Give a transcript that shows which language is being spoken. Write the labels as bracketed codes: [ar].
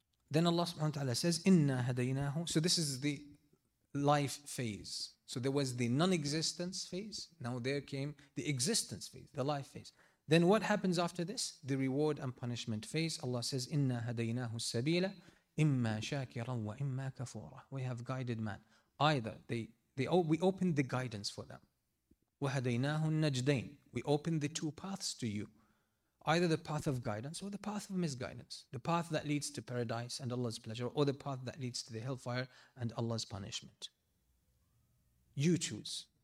[en] Then Allah subhanahu wa ta'ala says, [ar] إِنَّا هَدَيْنَاهُ. [en] So this is the life phase. So there was the non-existence phase. Now there came the existence phase, the life phase. Then what happens after this? The reward and punishment phase. Allah says, [ar] إِنَّا هَدَيْنَاهُ السَّبِيلَ إِمَّا شَاكِرًا وَإِمَّا كَفُورًا. [en] We have guided man. Either we opened the guidance for them. [ar] وَهَدَيْنَاهُ النَّجْدَيْنِ. [en] We opened the two paths to you. Either the path of guidance or the path of misguidance. The path that leads to paradise and Allah's pleasure, or the path that leads to the hellfire and Allah's punishment. You choose.